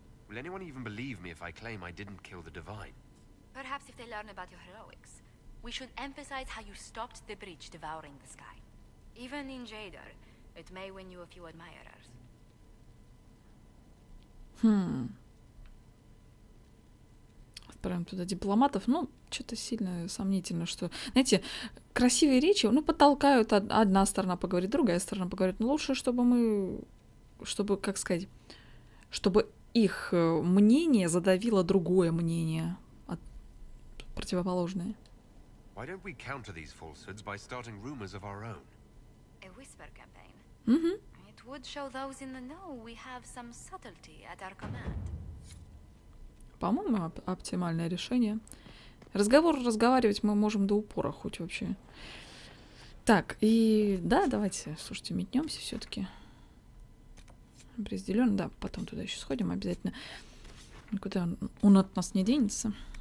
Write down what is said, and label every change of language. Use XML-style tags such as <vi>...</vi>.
<en>Will anyone even believe me if I claim I didn't kill the Divine? Perhaps if they learn about your heroics. We should emphasize how you stopped the breach devouring the sky. Even in Jadar, it may win you a few admirers.</en> <ru>Отправим туда дипломатов. Ну, что-то сильно сомнительно, что... Знаете, красивые речи, ну, подтолкают, одна сторона поговорит, другая сторона поговорит. Ну, лучше, чтобы мы... Чтобы, как сказать... Чтобы их мнение задавило другое мнение. Противоположное.</ru> <en>Why don't we counter these falsehoods by starting rumors of our own? A whisper campaign. Mm-hmm. It would show those in the know we have some subtlety at our command.</en> <ru>По-моему, оптимальное решение. Разговор разговаривать мы можем до упора хоть вообще. Так, и да, давайте, слушайте, метнемся все-таки. Определенно, да, потом туда еще сходим обязательно. Куда он от нас не денется.</ru>